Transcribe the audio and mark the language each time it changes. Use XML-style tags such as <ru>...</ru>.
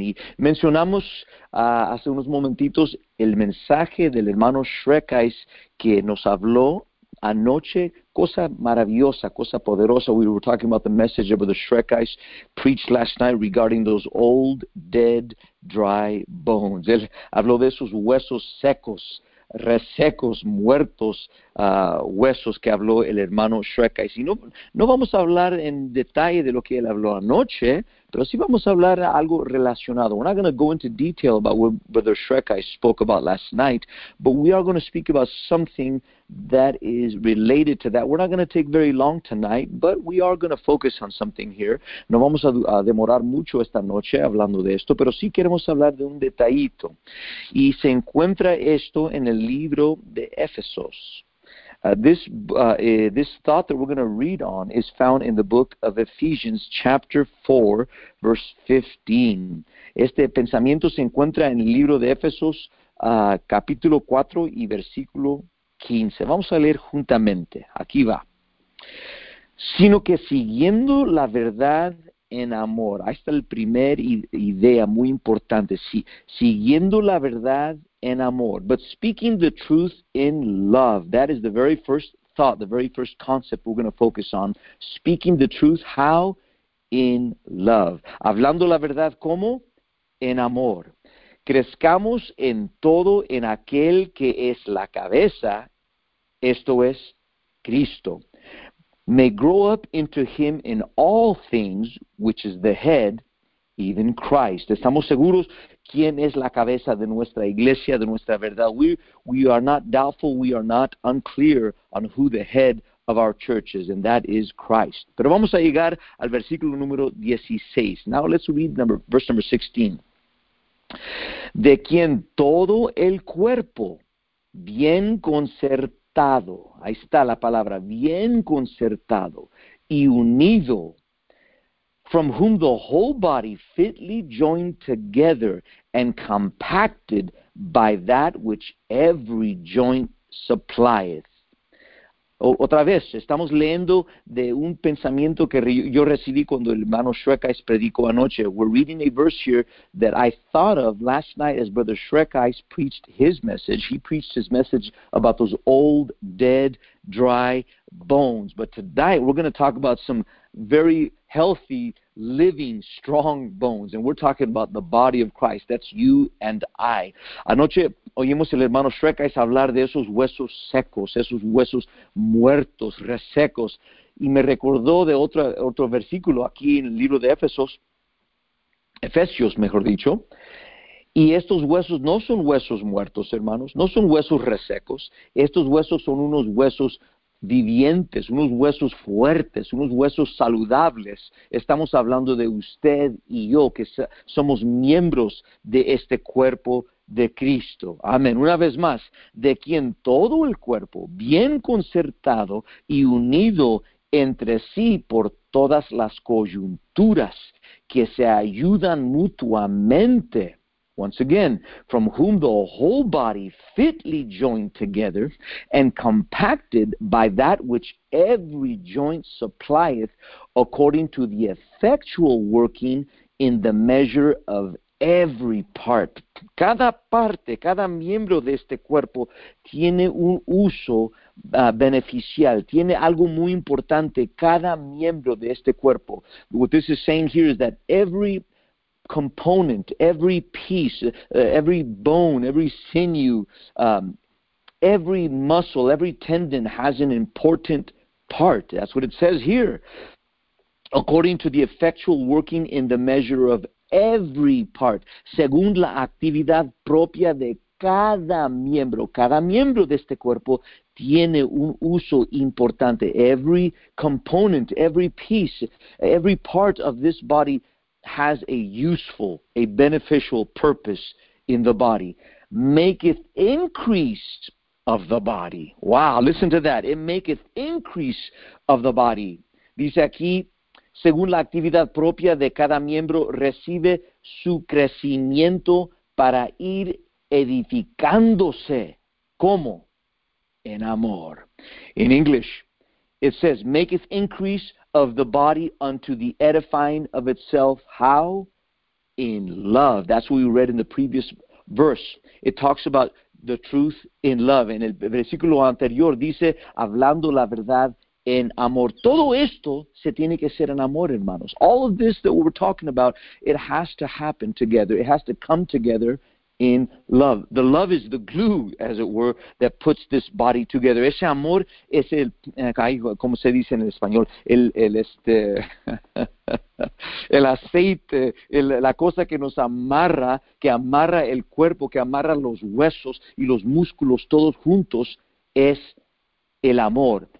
<es>Y mencionamos hace unos momentitos el mensaje del hermano Shrekais que nos habló anoche, cosa maravillosa, cosa poderosa.</es> <en>We were talking about the message of the Shrekais preached last night regarding those old, dead, dry bones.</en> <es>Él habló de esos huesos secos, resecos, muertos, huesos que habló el hermano Shrekais. Y no vamos a hablar en detalle de lo que él habló anoche, pero sí vamos a hablar algo relacionado.</es> <en>We're not going to go into detail about what Brother Shrekais spoke about last night, but we are going to speak about something that is related to that. We're not going to take very long tonight, but we are going to focus on something here.</en> <es>No vamos a demorar mucho esta noche hablando de esto, pero sí queremos hablar de un detallito. Y se encuentra esto en el libro de Éfesos.</es> <en>This thought that we're going to read on is found in the book of Ephesians, chapter 4, verse 15.</en> <es>Este pensamiento se encuentra en el libro de Éfesos, capítulo 4 y versículo 15. Vamos a leer juntamente. Aquí va. Sino que siguiendo la verdad en amor. Ahí está la primera idea muy importante. Sí, siguiendo la verdad en amor,</es> <en>but speaking the truth in love. That is the very first thought, the very first concept we're going to focus on. Speaking the truth, how? In love.</en> <es>Hablando la verdad, ¿cómo? En amor. Crezcamos en todo en aquel que es la cabeza, esto es Cristo.</es> <en>May grow up into him in all things, which is the head, even Christ.</en> <es>Estamos seguros. ¿Quién es la cabeza de nuestra iglesia, de nuestra verdad?</es> <en>We are not doubtful, we are not unclear on who the head of our church is, and that is Christ.</en> <es>Pero vamos a llegar al versículo número 16.</es> <en>Now let's read verse number 16.</en> <es>De quien todo el cuerpo, bien concertado, ahí está la palabra, bien concertado y unido,</es> <en>from whom the whole body fitly joined together and compacted by that which every joint supplieth.</en> <es>Otra vez, estamos leyendo de un pensamiento que yo recibí cuando el hermano Shrekais predicó anoche.</es> <en>We're reading a verse here that I thought of last night as Brother Shrekais preached his message. He preached his message about those old, dead, dry bones. But tonight, we're going to talk about some very healthy, living, strong bones. And we're talking about the body of Christ. That's you and I.</en> <es>Anoche oímos el hermano Shrekais hablar de esos huesos secos, esos huesos muertos, resecos. Y me recordó de otro versículo aquí en el libro de Efesios, mejor dicho. Y estos huesos no son huesos muertos, hermanos. No son huesos resecos. Estos huesos son unos huesos vivientes, unos huesos fuertes, unos huesos saludables. Estamos hablando de usted y yo, que somos miembros de este cuerpo de Cristo. Amén. Una vez más, de quien todo el cuerpo, bien concertado y unido entre sí por todas las coyunturas que se ayudan mutuamente.</es> <en>Once again, from whom the whole body fitly joined together and compacted by that which every joint supplieth, according to the effectual working in the measure of every part.</en> <es>Cada parte, cada miembro de este cuerpo tiene un uso beneficial, tiene algo muy importante, cada miembro de este cuerpo.</es> <en>What this is saying here is that every component, every piece, every bone, every sinew, every muscle, every tendon has an important part. That's what it says here. According to the effectual working in the measure of every part,</en> <es>según la actividad propia de cada miembro de este cuerpo tiene un uso importante.</es> <en>Every component, every piece, every part of this body has a useful, a beneficial purpose in the body. Maketh increase of the body. Wow, listen to that. It maketh increase of the body.</en> <es>Dice aquí, según la actividad propia de cada miembro, recibe su crecimiento para ir edificándose. ¿Cómo? En amor.</es> <en>In English, it says, maketh increase of the body unto the edifying of itself. How? in love. That's what we read in the previous verse. It talks about the truth in love.</en> <es>En el versículo anterior dice, hablando la verdad en amor. Todo esto se tiene que ser en amor, hermanos.</es> <en>All of this that we're talking about, it has to happen together. It has to come together in love. The love is the glue, as it were, that puts this body together.</en> <es>Ese amor es el, como se dice en el español, el aceite, la cosa que nos amarra, que amarra el cuerpo, que amarra los huesos y los músculos todos juntos, es el amor.</es>